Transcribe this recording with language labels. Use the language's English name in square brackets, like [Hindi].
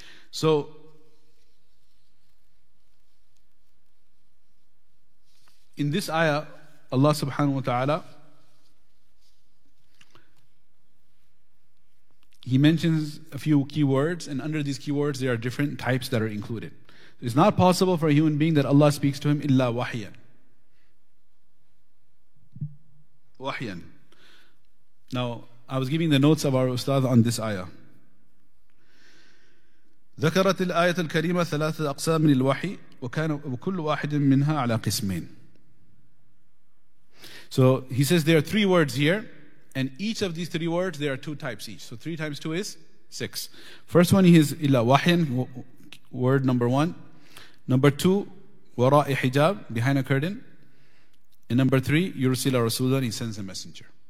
[English] So in this ayah, Allah subhanahu wa ta'ala, he mentions a few keywords, and under these keywords there are different types that are included. It's not possible for a human being that Allah speaks to him illa wahyan. Wahyan. Now, I was giving the notes of our ustad on this ayah. [Arabic] ذكرت الآية الكريمة ثلاثة أقسام من الوحي وكان وكل واحد منها على قسمين. [English] So he says there are three words here, and each of these three words there are two types each. So three times two is six. First one is [Arabic] إلا وحي, [English] word number one. Number two, [Arabic] وراء حجاب, [English] behind a curtain. And number three, [Arabic] يرسل رسولا, [English] he sends a messenger.